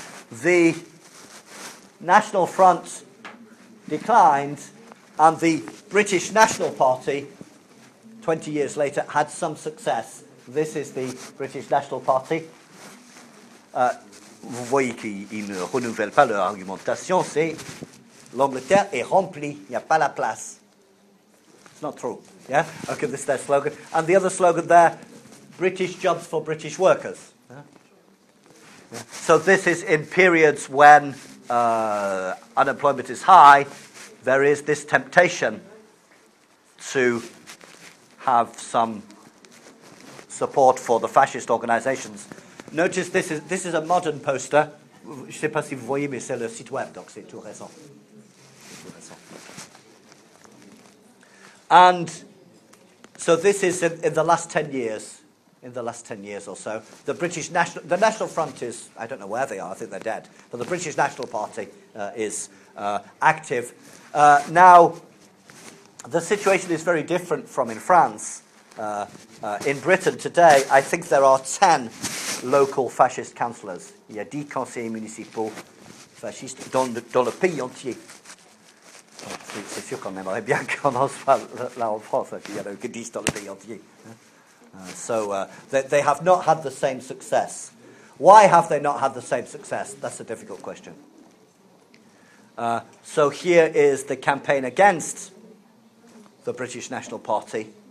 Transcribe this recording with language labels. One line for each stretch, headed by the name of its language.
English: The National Front declined, and the British National Party, 20 years later, had some success. This is the British National Party.
French: Vous voyez qu'ils ne renouvellent pas leur argumentation, c'est l'Angleterre est remplie, il n'y a pas la place.
English: It's not true, yeah? Okay, this is their slogan. And the other slogan there, British jobs for British workers. So this is in periods when unemployment is high, there is this temptation to have some support for the fascist organisations. Notice this is a modern poster.
French: Je ne sais pas si vous voyez, mais c'est le site web, donc c'est tout récent.
English: And so this is in the last 10 years. In the last 10 years or so, the National Front is, I don't know where they are, I think they're dead, but the British National Party is active. Now, the situation is very different from in France. In Britain today, I think there are 10 local fascist councillors.
French: Il y a 10 conseillers municipaux fascistes dans le pays entier. C'est sûr qu'on aimerait bien qu'on en soit là en France, qu'il y en a que 10 dans le pays entier.
English: So they have not had the same success. Why have they not had the same success? That's a difficult question. So here is the campaign against the British National Party.